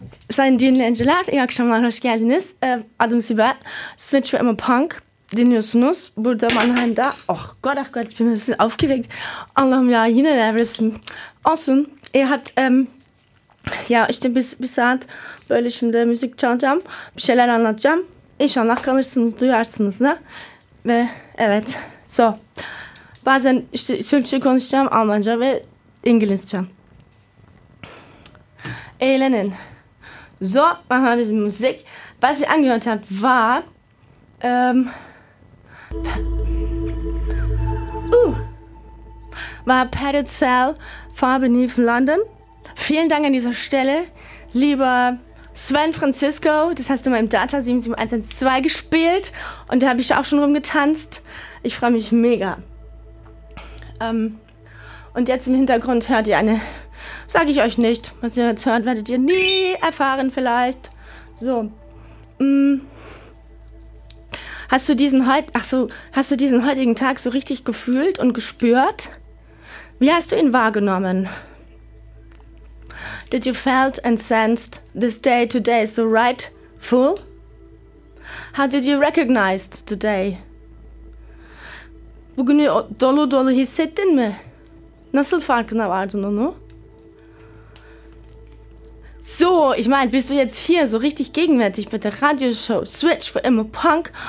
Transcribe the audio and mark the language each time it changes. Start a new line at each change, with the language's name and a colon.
Turkish: Sayın dinleyiciler, iyi akşamlar, hoş geldiniz. Adım Sibel, Switch ve Emma Punk dinliyorsunuz. Burada Mannheim'da,
German: oh Gott, ach Gott, ich bin ein bisschen aufgeregt.
Turkish: Allah'ım ya, yine nervösüm. Olsun,
German: ihr habt,
Turkish: işte biz bir saat böyle şimdi müzik çalacağım, bir şeyler anlatacağım. İnşallah kalırsınız, duyarsınız da. Ve evet, so. Bazen işte Türkçe konuşacağım, Almanca ve İngilizce. Eğlenin.
German: So, machen wir ein bisschen Musik. Was ich angehört habe, war... war Padded Cell, Far Beneath London. Vielen Dank an dieser Stelle, lieber Sven Francisco. Das hast du mal im Data 77112 gespielt. Und da habe ich auch schon rumgetanzt. Ich freue mich mega. Und jetzt im Hintergrund hört ihr eine... Sag ich euch nicht. Was ihr jetzt hört, werdet ihr nie erfahren vielleicht. So. Hast du diesen heutigen Tag so richtig gefühlt und gespürt? Wie hast du ihn wahrgenommen?
English: Did you felt and sensed this day today so right, full? How did you recognize today?
Turkish: Bugünü dolu dolu hissettin mi? Nasıl farkına vardın onu?
German: So, ich meine, bist du jetzt hier so richtig gegenwärtig mit der Radioshow Switch für immer Punk?